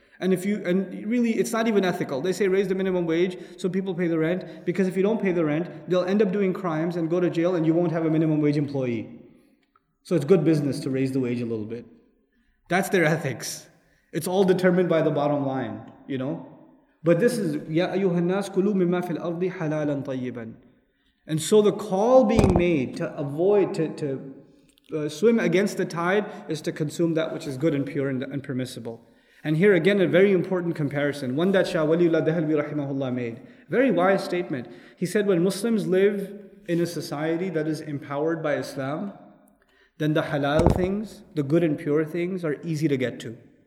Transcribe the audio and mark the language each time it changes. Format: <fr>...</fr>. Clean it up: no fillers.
<en>And really, it's not even ethical. They say raise the minimum wage so people pay the rent, because if you don't pay the rent, they'll end up doing crimes and go to jail and you won't have a minimum wage employee. So it's good business to raise the wage a little bit. That's their ethics. It's all determined by the bottom line, you know? But this is,</en> <ar>يَا أَيُّهَا النَّاسِ كُلُوا مِمَّا فِي الْأَرْضِ حَلَالًا طَيِّبًا.</ar> <en>And so the call being made to avoid, to swim against the tide, is to consume that which is good and pure and permissible. And here again, a very important comparison, one that Shah Waliullah Dahlvi rahimahullah made. Very wise statement. He said, when Muslims live in a society that is empowered by Islam, then the halal things, the good and pure things, are easy to get to.</en>